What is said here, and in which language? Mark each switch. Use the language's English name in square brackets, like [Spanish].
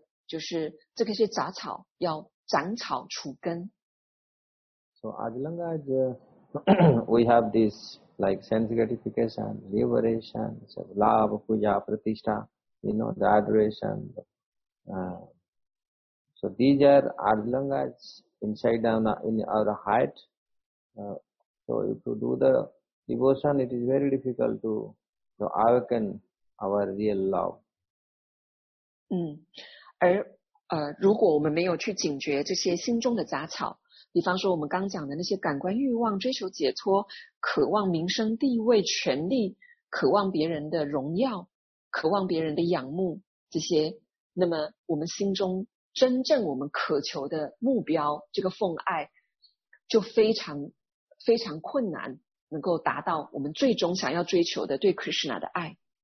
[Chinese] 我们要非常小心，我们要知道要把这个就是这些杂草要。斩草除根. [English] So as long as we have this like sense gratification, liberation, so love, puja, pratishta, you know, the adoration. So these are as long as inside down in our heart. So if you do the devotion, it is very difficult to awaken our real love. [Chinese] 如果我们没有去警觉这些心中的杂草，比方说我们刚讲的那些感官欲望、追求解脱、渴望名声、地位、权力、渴望别人的荣耀，渴望别人的仰慕，这些，那么我们心中真正我们渴求的目标，这个奉爱就非常非常困难，能够达到我们最终想要追求的对 Krishna 的爱。